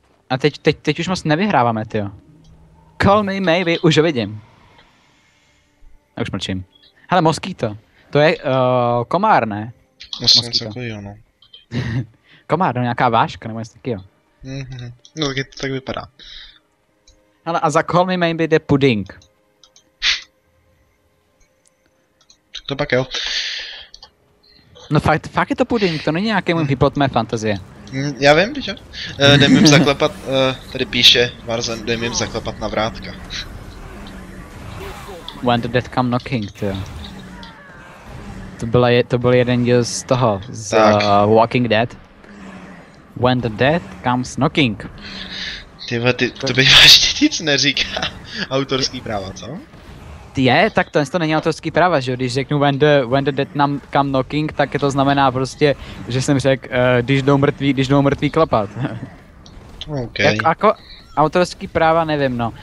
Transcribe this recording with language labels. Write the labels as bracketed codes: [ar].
[cs] A teď už moc nevyhráváme, tyjo. Call me maybe, už ho vidím. A už mlčím. Hele, moskýto. To je komár, ne? Moskýto. No. Komár, no nějaká váška, nebo jestli taky jo. Mm-hmm. No tak vypadá. Hele, a za call me maybe jde pudding. To pak jo. No fakt, fakt je to pudink, to není nějaký můj výplot mé fantazie. Já vím, že? Jdem jim zaklepat, tady píše Varzen, jdem jim zaklepat na vrátka. [en] When the dead come knocking, [cs] to jo. To byl jeden díl z toho, z Walking Dead. [en] When the dead comes knocking. [cs] Tyhle, ty, to by vlastně nic neříká. Autorský práva, co? Je, tak to, to není autorský práva, že jo? Když řeknu [en] when the dead come knocking, [cs] tak to znamená prostě, že jsem řekl, když jdou mrtví klapat. Okay. Jak, jako autorský práva, nevím, no.